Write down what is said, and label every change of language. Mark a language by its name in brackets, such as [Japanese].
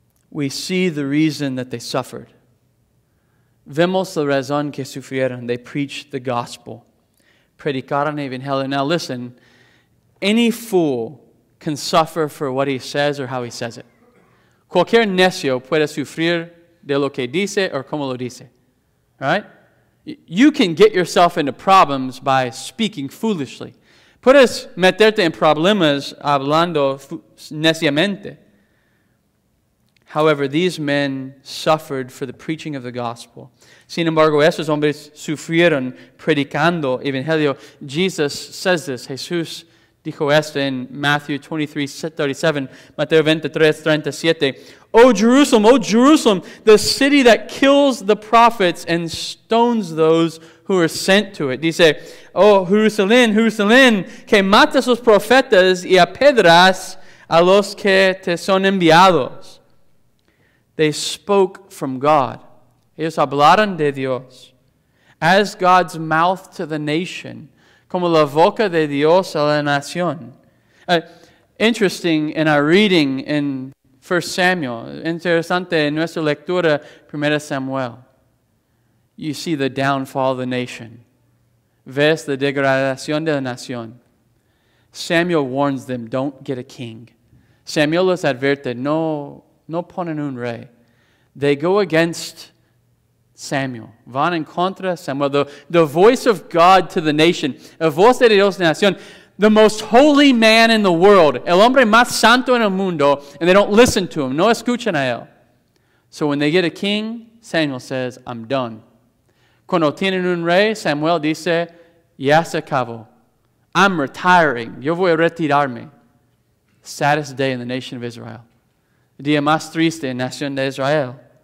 [English] We see the reason that they suffered. [Spanish] Vemos la razón que sufrieron. [English] They preached the gospel. [Spanish] Predicaron evangelio. [English] Now listen, any fool can suffer for what he says or how he says it. [Spanish] Cualquier necio puede sufrir de lo que dice o como lo dice. [English] All right? You can get yourself into problems by speaking foolishly. [Spanish] Puedes meterte en problemas hablando neciamente. [English] However, these men suffered for the preaching of the gospel. [Spanish] Sin embargo, estos hombres sufrieron predicando el evangelio. [English] Jesus says this. [Spanish] Jesús dijo esto [English] in Matthew 23:37, Mateo 23:37. O Jerusalem, O Jerusalem, the city that kills the prophets and stones those who are sent to it. [Spanish] Dice, O Jerusalén, Jerusalén, que matas los profetas y apedras a los que te son enviados. [English] They spoke from God. [Spanish] Ellos hablaron de Dios. [English] As God's mouth to the nation. [Spanish] Como la boca de Dios a la nación. [English] Interesting in our reading in 1 Samuel. [Spanish] Interesante en nuestra lectura, 1 Samuel. [English] You see the downfall of the nation. [Spanish] Ves la degradación de la nación. [English] Samuel warns them, don't get a king. [Spanish] Samuel los advierte, no ponen un rey. [English] They go against Samuel. [Spanish] Van en contra Samuel. [English] The voice of God to the nation. [Spanish] El voz de Dios de la nación. [English] The most holy man in the world. [Spanish] El hombre más santo en el mundo. [English] And they don't listen to him. [Spanish] No escuchan a él. [English] So when they get a king, Samuel says, I'm done. [Spanish] Cuando tienen un rey, Samuel dice, ya se acabó. [English] I'm retiring. [Spanish] Yo voy a retirarme. [English] Saddest day in the nation of Israel. [Spanish] Día más triste en la nación de Israel.